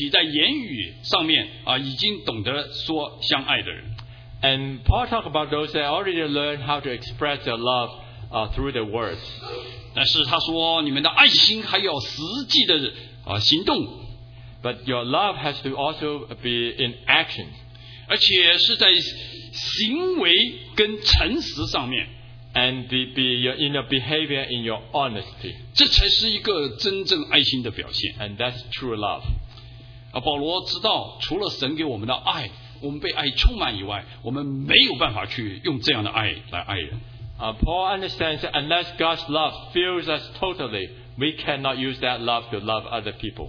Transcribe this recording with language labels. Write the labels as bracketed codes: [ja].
[zh] 保罗是提到这个爱心是有具体在言语上面, 啊, 已经懂得说相爱的人。 [en] And Paul talked about those that already learned how to express their love through their words. [zh] 但是他说你们的爱心还有实际的, 行动。 [en] But your love has to also be in action. [zh] 而且是在行为跟诚实上面。 [en] And be in your behavior, in your honesty. [zh] 这才是一个真正爱心的表现。 [en] And that's true love. [zh] 保罗知道除了神给我们的爱, 我们被爱充满以外, 我们没有办法去用这样的爱来爱人。 [en] Paul understands that unless God's love fills us totally, we cannot use that love to love other people.